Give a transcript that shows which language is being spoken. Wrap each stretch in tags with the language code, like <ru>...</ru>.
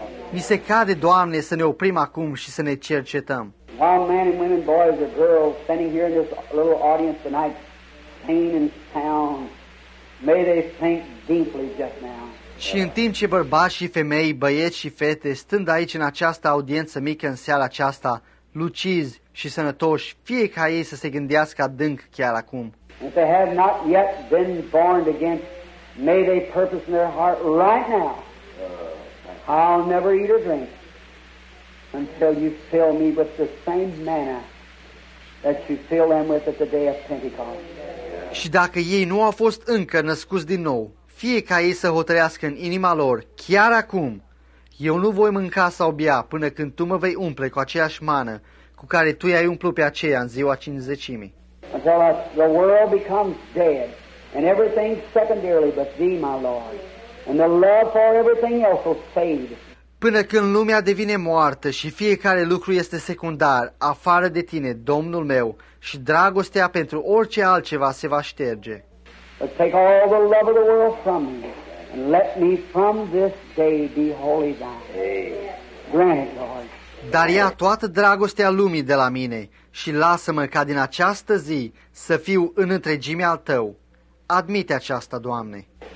<ro>Mi se cade, Doamne, să ne oprim acum și să ne cercetăm.</ro> <en>While men and women, boys or girls standing here in this little audience tonight, pain and town, may they think deeply just now.</en> <ro>Și în timp ce bărbați și femei, băieți și fete, stând aici în această audiență mică în seara aceasta, lucizi și sănătoși, fie ca ei să se gândească adânc chiar acum.</ro> <en>If they have not yet been born again, may they purpose in their heart right now, I'll never eat or drink until you fill me with the same manna that you fill them with at the day of Pentecost.</en> <ro>Și dacă ei nu au fost încă născuți din nou, fie ca ei să hotărească în inima lor, chiar acum, eu nu voi mânca sau bea până când tu mă vei umple cu aceeași mană cu care tu i-ai umplut pe aceea în ziua cincizecimii.</ro> <en>Until the world becomes dead and everything secondarily but thee, my Lord, and the love for everything else will fade.</en> <ro>Până când lumea devine moartă și fiecare lucru este secundar, afară de tine, Domnul meu, și dragostea pentru orice altceva se va șterge.</ro> <en>But take all the love of the world from me and let me from this day be holy thine. Grant it, Lord.</en> <ro>Dar ia toată dragostea lumii de la mine și lasă-mă ca din această zi să fiu în întregimea al Tău. Admite aceasta, Doamne.</ro>